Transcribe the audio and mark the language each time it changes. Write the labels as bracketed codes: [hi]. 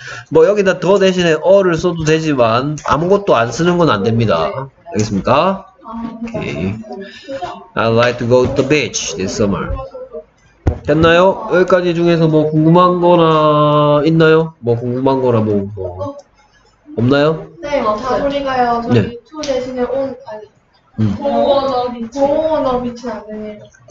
[ko] 뭐 여기다 더 대신에 어를 써도 되지만 아무것도 안 쓰는 건 안 됩니다. 알겠습니까? Okay. [en] I'd like to go to the beach this summer. [ko] 됐나요? 여기까지 중에서 뭐 궁금한 거나 있나요? 뭐 궁금한 거나 뭐 없나요? 네, 없어요. 우리가요, 저희 네. 투 대신에 온 아니 고원어비치 안 돼요?